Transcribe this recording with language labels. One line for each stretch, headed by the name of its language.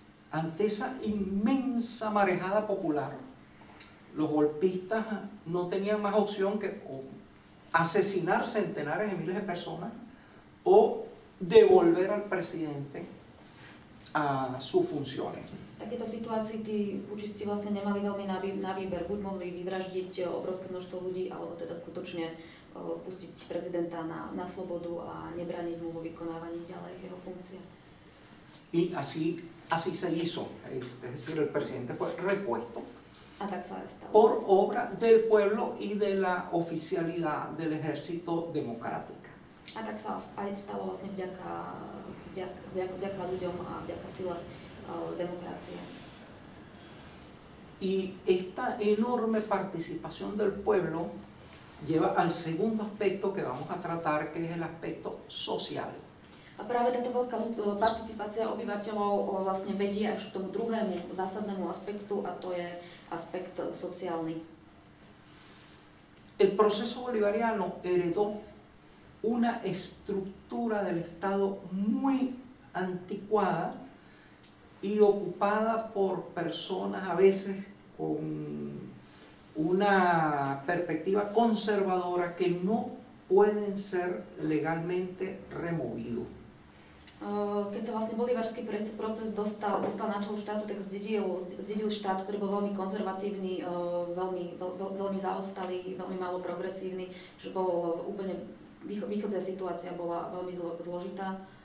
Spanish: Ante esa inmensa marejada popular, los golpistas no tenían más opción que asesinar centenares de miles de personas o devolver al presidente a sus funciones.
Slovak: Takéto situácii tí pučisti vlastne nemali veľmi na výber. Buď mohli vyvraždiť obrovské množstvo ľudí, alebo teda skutočne pustiť prezidenta na slobodu a nebraniť mu vo vykonávaní ďalej jeho funkcie.
Spanish: Y así se hizo. Es decir, el presidente fue repuesto.
Slovak: A tak sa stalo.
Spanish: Por obra del pueblo y de la oficialidad del ejército democrático.
Slovak: A tak sa aj stalo vlastne vďaka ľuďom a vďaka sile demokracie.
Spanish: Y esta enorme participación del pueblo lleva al segundo aspecto que vamos a tratar, que es el aspecto social.
Slovak: A práve táto veľká participácia obyvateľov vlastne vedie až k tomu druhému zásadnému aspektu, a to je aspekt sociálny.
Spanish: El proceso bolivariano heredó una estructura del Estado muy anticuada y ocupada por personas a veces con una perspectiva conservadora que no pueden ser legalmente removidos.
Slovak: Keď sa vlastne bolivarský proces dostal na čelo štátu, tak zdedil štát, ktorý bol veľmi konzervatívny, veľmi zaostalý, veľmi málo progresívny, že bol úplne východná situácia bola veľmi zložitá.